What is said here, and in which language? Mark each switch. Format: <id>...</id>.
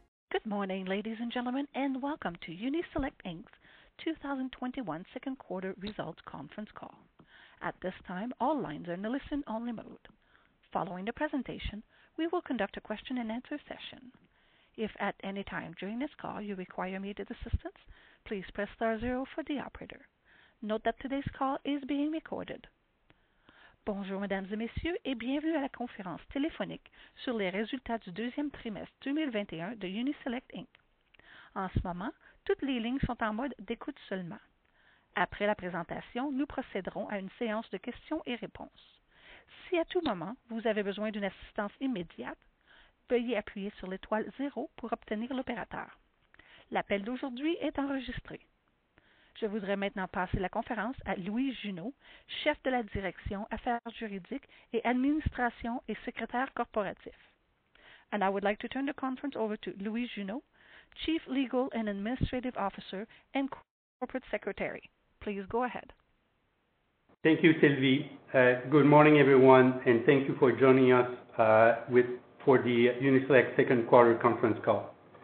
<en>Good morning, ladies and gentlemen, and welcome to Uni-Select Inc's 2021 second quarter results conference call. At this time, all lines are in a listen-only mode. Following the presentation, we will conduct a question and answer session. If at any time during this call you require immediate assistance, please press star zero for the operator. Note that today's call is being recorded.</en> <fr>Bonjour, mesdames et messieurs, et bienvenue à la conférence téléphonique sur les résultats du deuxième trimestre 2021 de Uni-Select Inc. En ce moment, toutes les lignes sont en mode d'écoute seulement. Après la présentation, nous procéderons à une séance de questions et réponses. Si à tout moment, vous avez besoin d'une assistance immédiate, veuillez appuyer sur l'étoile 0 pour obtenir l'opérateur. L'appel d'aujourd'hui est enregistré. Je voudrais maintenant passer la conférence à Louis Junot, chef de la direction Affaires juridiques et administration et secrétaire corporatif.</fr> <en>And I would like to turn the conference over to Louis Junot, Chief Legal and Administrative Officer and Corporate Secretary. Please go ahead. Thank you, Sylvie. Good morning, everyone, and thank you for joining us for the Uni-Select second quarter conference call.</en>